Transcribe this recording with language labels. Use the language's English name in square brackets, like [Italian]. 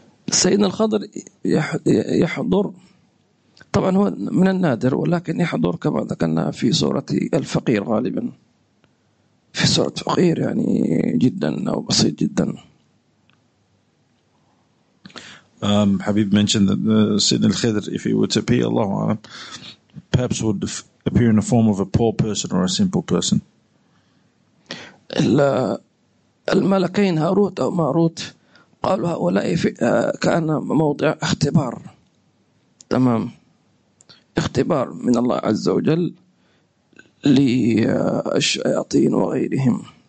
[Arabic] سيدنا الخضر يحضر طبعا هو من النادر ولكن يحضر كما ذكرنا في سورة الفقير غالبا في سورة فقير يعني جدا أو بسيط جدا. [English] حبيب mentioned that سيدنا الخضر if he were to appear [Arabic] الله أعلم [English] perhaps would appear in the form of a poor person or a simple person. [Arabic] الملكين هاروت أو ماروت قالوا هؤلاء كان موضع اختبار تمام اختبار من الله عز وجل للشياطين وغيرهم.